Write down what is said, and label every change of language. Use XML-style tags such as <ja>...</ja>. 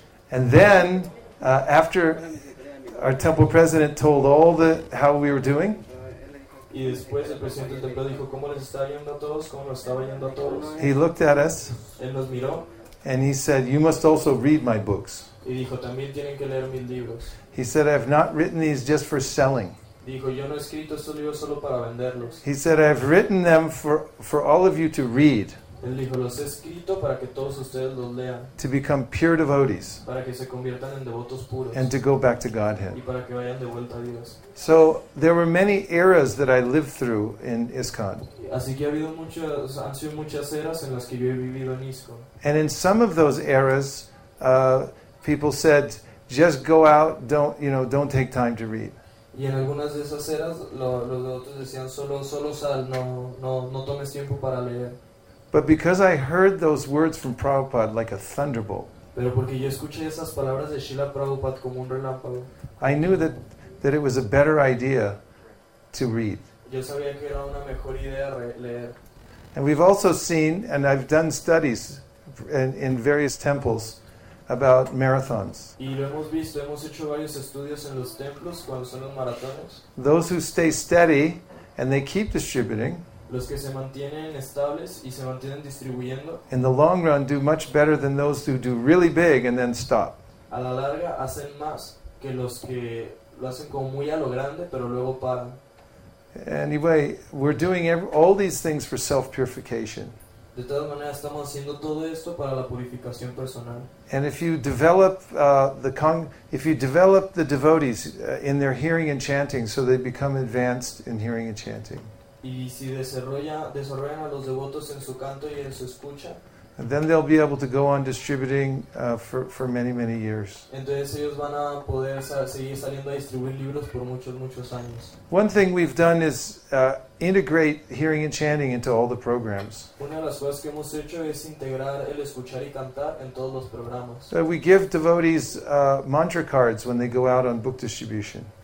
<en>And then, after our temple president told all the how we were doing,</en> <es>y después el presidente del templo dijo cómo les estaba yendo a todos, cómo nos estaba yendo a todos.</es> <en>He looked at us.</en> <es>Él nos miró.</es> <en>And he said, "You must also read my books."</en> <es>Y dijo, también tienen que leer mis libros.</es> <en>He said, "I have not written these just for selling."</en> <es>Dijo, yo no he escrito estos libros solo para venderlos.</es> <en>He said, "I have written them for all of you to read."</en> <es>Él dijo, los he escrito para que todos ustedes los lean.</es> <en>To become pure devotees.</en> <es>Para que se conviertan en devotos puros.</es> <en>And to go back to Godhead.</en> <es>Y para que vayan de vuelta a Dios.</es> <en>So there were many eras that I lived through in ISKCON.</en> <es>Así que han sido muchas eras en las que yo he vivido en ISKCON.</es> <en>And in some of those eras, people said, "Just go out. Don't take time to read."</en> <es>Y en algunas de esas eras, los devotos decían, solo sal, no tomes tiempo para leer.</es> <en>But because I heard those words from Prabhupada like a thunderbolt,</en> <es>pero porque yo escuché esas palabras de Srila Prabhupada como un relámpago,</es> <en>I knew that it was a better idea to read.</en> <es>Yo sabía que era una mejor idea leer.</es> <en>And we've also seen, and I've done studies in various temples about marathons.</en> <es>Y lo hemos visto, hemos hecho varios estudios en los templos cuando son los maratones.</es> <en>Those who stay steady and they keep distributing,</en> <es>los que se mantienen estables y se mantienen distribuyendo,</es> <en>in the long run do much better than those who do really big and then stop.</en> <es>A la larga hacen más que los que lo hacen como muy a lo grande pero luego paran.</es> <en>Anyway, we're doing all these things for self-purification.</en> <es>De todas maneras estamos haciendo todo esto para la purificación personal.</es> <en>And if you develop the devotees in their hearing and chanting, so they become advanced in hearing and chanting.</en> <es>Y si desarrollan a los devotos en su canto y en su escucha,</es> <en>and then they'll be able to go on distributing for many, many years.</en> <es>Entonces ellos van a poder seguir saliendo a distribuir libros por muchos, muchos años.</es> <en>One thing we've done is integrate hearing and chanting into all the programs.</en> <es>Una de las cosas que hemos hecho es integrar el escuchar y cantar en todos los programas.</es> <en>So we give devotees mantra cards when they go out on book distribution.</en>